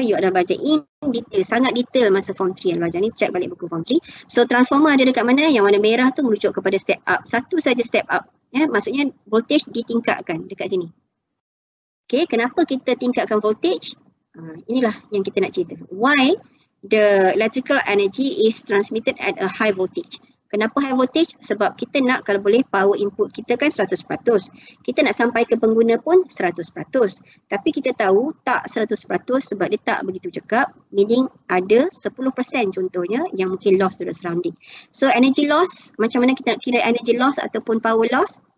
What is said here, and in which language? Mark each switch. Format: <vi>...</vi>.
<ms>You ada belajar</ms> <en>in detail,</en> <ms>sangat detail masa form 3 yang belajar ni.</ms> <en>Check</en> <ms>balik buku form 3. So transformer ada dekat mana? Yang warna merah tu merujuk kepada step up. Satu saja step up. Ya, maksudnya voltage ditingkatkan dekat sini. Okay, kenapa kita tingkatkan voltage? Inilah yang kita nak cerita.</ms> <en>Why the electrical energy is transmitted at a high voltage?</en> <ms>Kenapa high voltage? Sebab kita nak kalau boleh power input kita kan 100%. Kita nak sampai ke pengguna pun 100%. Tapi kita tahu tak 100% sebab dia tak begitu cekap. Meaning ada 10% contohnya yang mungkin</ms> <en>loss to the surrounding.</en> <ms>So energy loss, macam mana kita nak kira energy loss ataupun power loss?</ms>